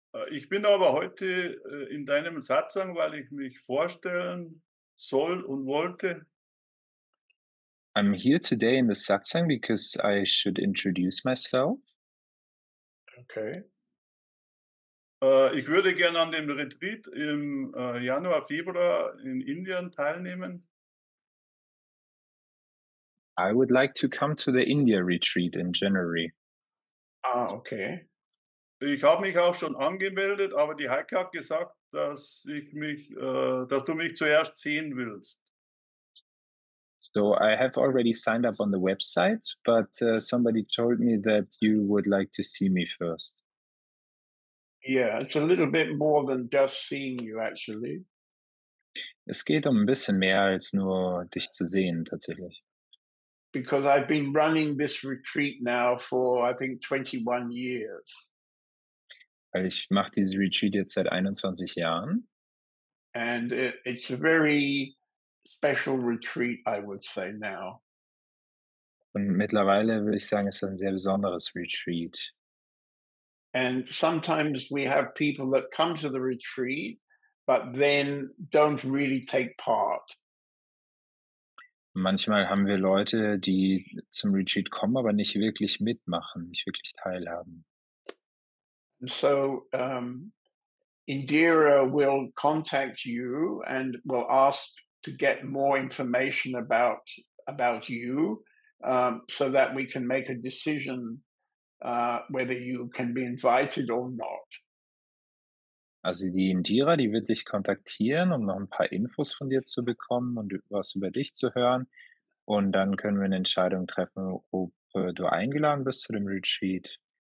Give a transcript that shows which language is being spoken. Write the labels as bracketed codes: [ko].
[de] Ich bin aber heute in deinem Satsang, weil ich mich vorstellen soll und wollte. [en] I'm here today in the Satsang because I should introduce myself. Okay. [de] Ich würde gerne an dem Retreat im Januar, Februar in Indien teilnehmen. [en] I would like to come to the India retreat in January. Ah, okay. [de] Ich habe mich auch schon angemeldet, aber die Heike hat gesagt, dass ich mich, dass du mich zuerst sehen willst. [en] So I have already signed up on the website, but somebody told me that you would like to see me first. Yeah, it's a little bit more than just seeing you, actually. [de] Es geht ein bisschen mehr als nur dich zu sehen, tatsächlich. [en] Because I've been running this retreat now for, I think, 21 years. [de] Weil ich mache dieses Retreat jetzt seit 21 Jahren. [en] And it's a very special retreat, I would say, now. [de] Und mittlerweile würde ich sagen, es ist ein sehr besonderes Retreat. [en] And sometimes we have people that come to the retreat, but then don't really take part. [de] Manchmal haben wir Leute, die zum Retreat kommen, aber nicht wirklich mitmachen, nicht wirklich teilhaben. [en] So, Indira will contact you and will ask to get more information about you, so that we can make a decision whether you can be invited or not. [de] Also die Indira, die wird dich kontaktieren, um noch ein paar Infos von dir zu bekommen und was über dich zu hören. Und dann können wir eine Entscheidung treffen, ob du eingeladen bist zu dem Retreat.